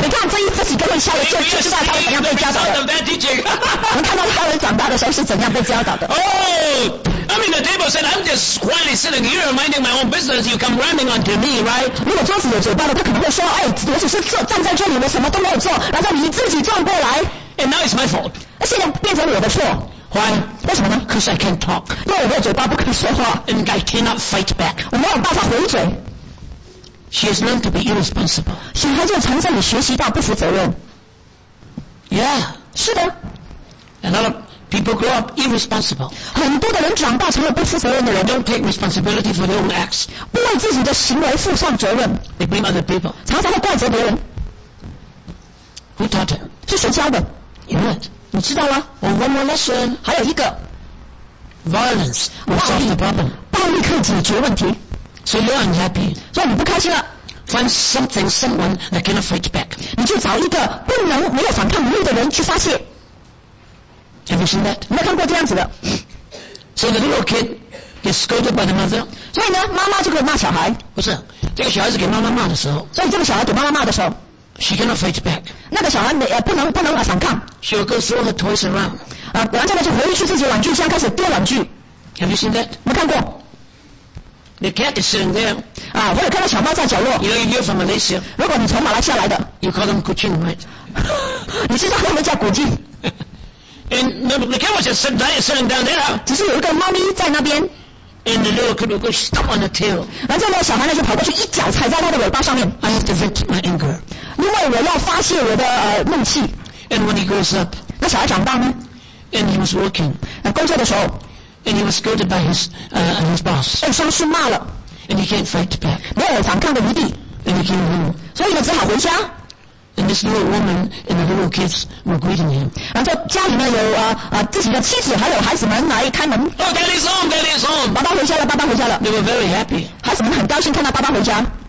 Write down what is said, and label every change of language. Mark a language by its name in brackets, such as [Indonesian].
[Chinese] 你看这一次几个人下来就知道他怎样被教导的。我看到他人长大的时候是怎样被教导的。 [English] Oh, I mean the table said, I'm just quietly sitting here minding my own business. You come running onto me, right? [Chinese] 如果桌子有嘴巴的，他可能会说，我只是站在这里，我什么都没有做，然后你自己撞过来。 [English] And now it's my fault. [Chinese] 现在变成我的错。 [English] Why? [Chinese] 为什么呢 [English] ？Cause I can't talk. [Chinese] 因为我嘴巴不可以说话。 [English] And I cannot fight back. [Chinese] 我没有办法回嘴。 [English] She has learned to be irresponsible. [Chinese] 小孩就从这里学习到不负责任。 [English] Yeah. [Chinese] 是的。 [English] A lot of people grow up irresponsible. [Chinese] 很多的人长大成了不负责任的人。 [English] Don't take responsibility for their own acts. [Chinese] 不为自己的行为负上责任。 [English] They blame other people. [Chinese] 常常会怪责别人。 [English] Who taught her? [Chinese] 是谁教的 [English] ？You know it. [Chinese] 你知道吗 [English] ？Oh, one more lesson. [Chinese] 还有一个。 [English] Violence will solve the problem. [Chinese] 暴力可以解决问题。 [English] So you're unhappy. [Chinese] 所以你不开心了。 [English] Find something, someone that cannot fight back. [Chinese] 你去找一个不能没有反抗能力的人去发泄。 [English] Have you seen that? [Chinese] 你没看过这样子的。 [English] So the little kid gets scolded by the mother. [Chinese] 所以呢，妈妈就会骂小孩。不是，这个小孩子给妈妈骂的时候。所以这个小孩给妈妈骂的时候。 [English] She cannot fight back. [Chinese] 那个小孩不能反抗。 [English] She will go throw her toys around. [Chinese] 然后呢，就回去自己玩具箱开始丢玩具。 [English] Have you seen that? [Chinese] 没看过。 [English] The cat is sitting there. [Chinese] 我有看到小猫在角落。 [English] You know, you're from Malaysia. [Chinese] 如果你从马来西亚来的。 [English] You call them kucing, right? [Chinese] 你知道他们叫古晋。 [English] And the cat was just sitting down there. [Chinese] 只是有一个猫咪在那边。 [English] And the little kid will stop on the tail. [Chinese] 然后呢，小孩呢就跑过去一脚踩在他的尾巴上面。 [English] I have to vent my anger. [Chinese] 因为我要发泄我的怒气。 [English] And when he grows up. [Chinese] 那小孩长大呢 [English] ？And he was working. [Chinese] 工作的时候。 [English] And he was scolded by his boss. [Chinese] 被上司骂了。 [English] And he can't fight back. [Chinese] 没有反抗的余地。 [English] And he came home. [Chinese] 所以呢，只好回家。 [English] And this little woman and the little kids were greeting him. [Chinese] 然后家里呢有自己的妻子还有孩子们来开门。 [English] Oh, daddy's home, daddy's home. [Chinese] 爸爸回家了。 [English] They were very happy. [Chinese] 孩子们很高兴看到爸爸回家。